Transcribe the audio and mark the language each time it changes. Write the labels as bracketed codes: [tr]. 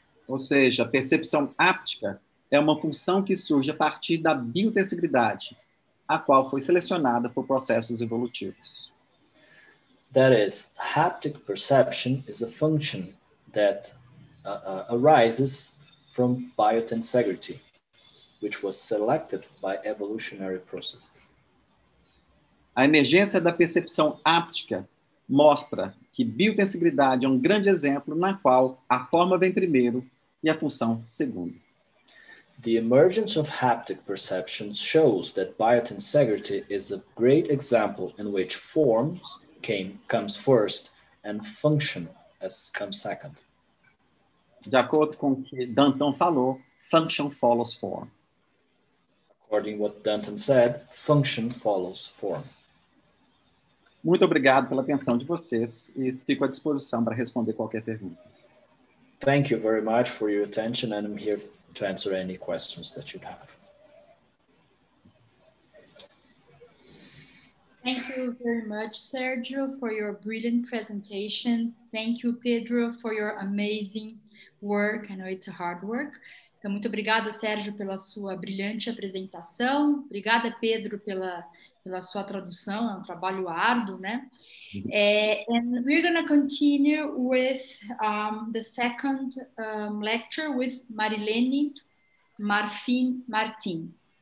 [pt] Ou seja, a percepção háptica é uma função que surge a partir da biotensibilidade, a qual foi selecionada por processos evolutivos. [en] That is, haptic perception is a function that arises from biotensegrity, which was selected by evolutionary processes. [pt] A emergência da percepção háptica mostra que biotensibilidade é um grande exemplo na qual a forma vem primeiro e a função segundo. [en] The emergence of haptic perception shows that biotensegrity is a great example in which forms comes first and function comes second. [pt] De acordo com o que Danton falou, [en] function follows form. According to what Danton said, function follows form. [pt] Muito obrigado pela atenção de vocês e fico à disposição para responder qualquer pergunta. [en] Thank you very much for your attention, and I'm here to answer any questions that you have. Thank you very much, Sergio, for your brilliant presentation. Thank you, Pedro, for your amazing work. I know it's hard work. [pt] Então, muito obrigada, Sergio, pela sua brilhante apresentação. Obrigada, Pedro, pela sua tradução. É um trabalho árduo, né? [en] And we're going to continue with the second lecture with Marilene Marfin Martin.